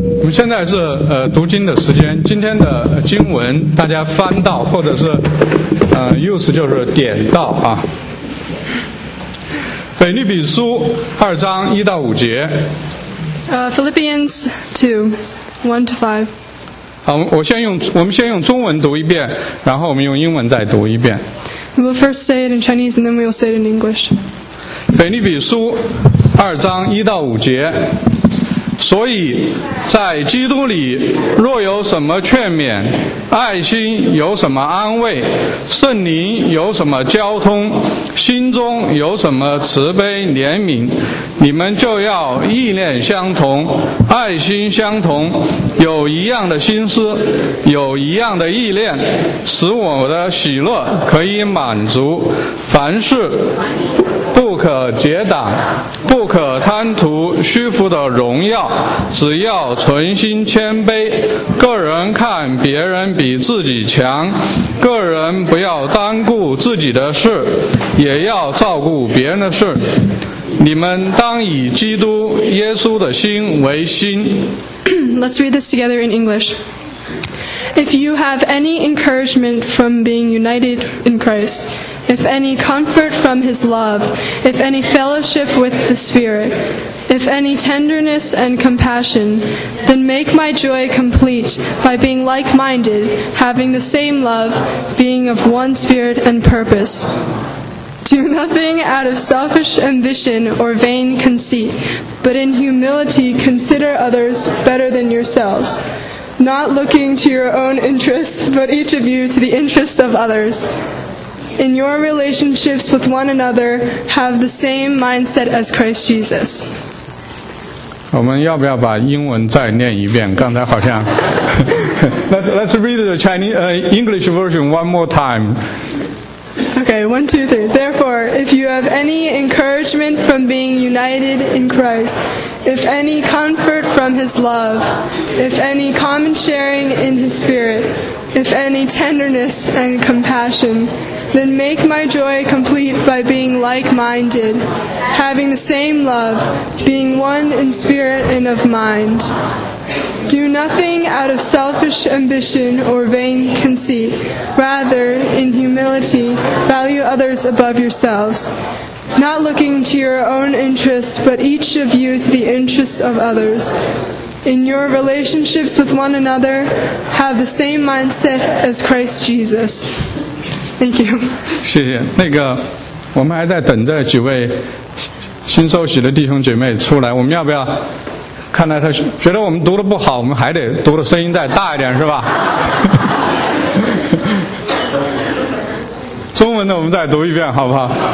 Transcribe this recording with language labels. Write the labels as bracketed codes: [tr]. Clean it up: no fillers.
[zh] 我们现在是读经的时间，今天的经文大家翻到或者是use 就是点到啊。腓立比书二章一到五节。 [en] Philippians 2:1-5. [zh] 好，我们先用中文读一遍，然后我们用英文再读一遍。 [en] We'll first say it in Chinese and then we'll say it in English. [zh] 腓立比书二章一到五节。所以在基督里若有什么劝勉，爱心有什么安慰，圣灵有什么交通，心中有什么慈悲怜悯，你们就要意念相同，爱心相同，有一样的心思，有一样的意念，使我的喜乐可以满足。凡事不可结党，不可贪图虚浮的荣耀，只要存心谦卑，个人看别人比自己强，个人不要单顾自己的事，也要照顾别人的事。你们当以基督耶稣的心为心。 [en] Let's read this together in English. If you have any encouragement from being united in Christ, if any comfort from his love, if any fellowship with the Spirit, if any tenderness and compassion, then make my joy complete by being like-minded, having the same love, being of one spirit and purpose. Do nothing out of selfish ambition or vain conceit, but in humility consider others better than yourselves, not looking to your own interests, but each of you to the interests of others. In your relationships with one another, have the same mindset as Christ Jesus. [zh] 我们要不要把英文再念一遍？刚才好像 [en] Let's read the Chinese, English version one more time. Okay, 1, 2, 3. Therefore, if you have any encouragement from being united in Christ, if any comfort from his love, if any common sharing in his spirit, if any tenderness and compassion, then make my joy complete by being like-minded, having the same love, being one in spirit and of mind. Do nothing out of selfish ambition or vain conceit. Rather, in humility, value others above yourselves, not looking to your own interests, but each of you to the interests of others. In your relationships with one another, have the same mindset as Christ Jesus. Thank you. [zh] 谢谢。那个，我们还在等着几位新受洗的弟兄姐妹出来，我们要不要？看来他觉得我们读的不好，我们还得读的声音再大一点，是吧？中文的我们再读一遍，好不好？